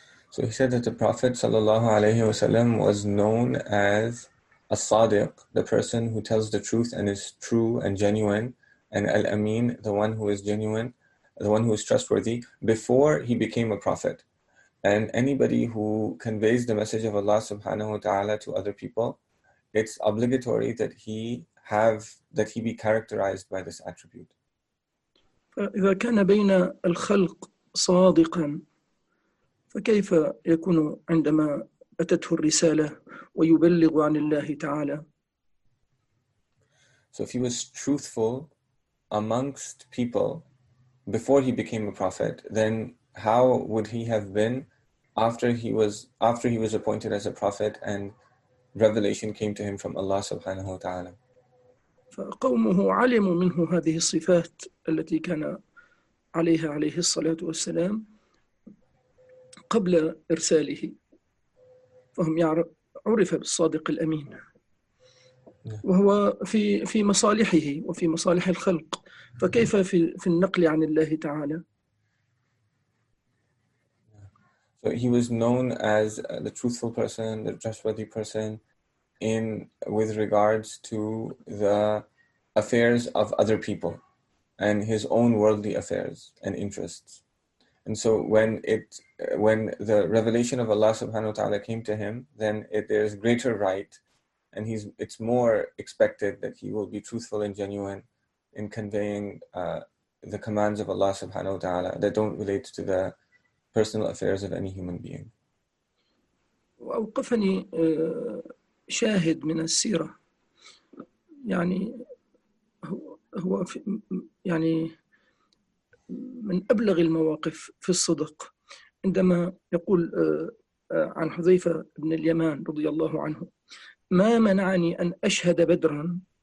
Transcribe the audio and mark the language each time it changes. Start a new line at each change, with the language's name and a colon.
English: So he said that the Prophet sallallahu alayhi wa sallam was known as as-sadiq, the person who tells the truth and is true and genuine, and al-amin, the one who is genuine, the one who is trustworthy, before he became a prophet. And anybody who conveys the message of Allah subhanahu wa ta'ala to other people, it's obligatory that he be characterized by this attribute.
Arabic: فإذا كان بين الخلق صادقا فكيف يكون عندما أتته الرسالة ويبلغ عن الله تعالى؟
English: So if he was truthful amongst people before he became a prophet, then how would he have been after he was appointed as a prophet and revelation came to him from Allah subhanahu wa ta'ala?
Arabic: فقومه علموا منه هذه الصفات التي كان عليها عليه الصلاة والسلام قبل إرساله، فهم عرف بالصادق الأمين، وهو في مصالحه وفي مصالح الخلق، فكيف في النقل عن الله تعالى؟
English: So he was known as the truthful person, the trustworthy person in with regards to the affairs of other people and his own worldly affairs and interests. And so when the revelation of Allah subhanahu wa ta'ala came to him, then there's greater right and it's more expected that he will be truthful and genuine in conveying the commands of Allah subhanahu wa ta'ala that don't relate to the personal affairs of any human being.
Arabic: وأوقفني شاهد من السيرة، يعني هو يعني من أبلغ المواقف في الصدق، عندما يقول عن حذيفة بن اليمان رضي الله عنه: ما منعني أن أشهد بدرا